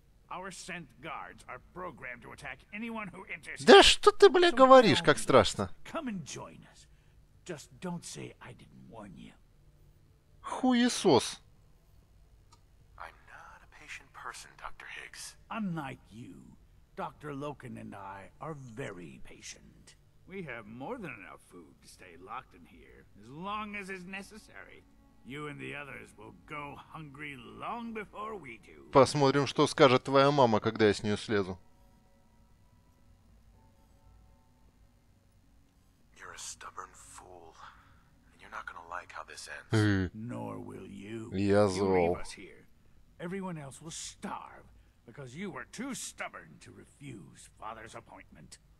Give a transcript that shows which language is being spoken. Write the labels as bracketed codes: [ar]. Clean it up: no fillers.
[en] Our scent guards are programmed to attack anyone who enters. [ru] Да что ты, бля, говоришь, как страшно. [en] Come and join us. Just don't say I didn't warn you. [ru] Хуесос. [en] I'm not a patient person, Dr. Higgs. Unlike you, Dr. Loken and I are very patient. We have more than enough food to stay locked in here as long as is necessary. You and the others will go hungry long before we do. [ru] Посмотрим, что скажет твоя мама, когда я с нее слезу. [en] You're a stubborn fool, and you're not gonna like how this ends. Nor will you. [ru] Я зол. [en] Everyone else will starve because you were too stubborn to refuse father's appointment.